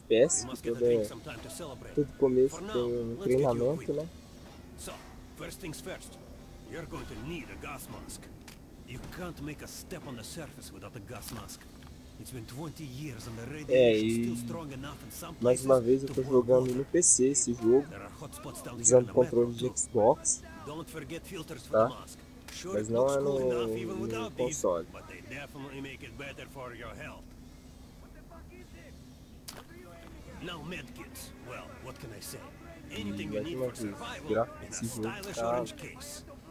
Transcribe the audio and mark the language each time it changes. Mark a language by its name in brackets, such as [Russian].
[English] You must get a drink sometime to celebrate. For now, let's get you equipped. So, first things first, you're going to need a gas mask. You can't make a step on the surface without a gas mask. It's been 20 years and the radiation is still strong enough in some places. [Portuguese] Mais uma vez eu tô jogando no PC esse jogo. [English] There are hotspots down [Portuguese] usando o controle de Xbox. [English] Don't forget filters for the mask. Sure, it looks cool enough even without these, console. But they definitely make it better for your health. What the fuck is this? Now medkits. Well, what can I say? Anything you need for survival in a stylish orange case.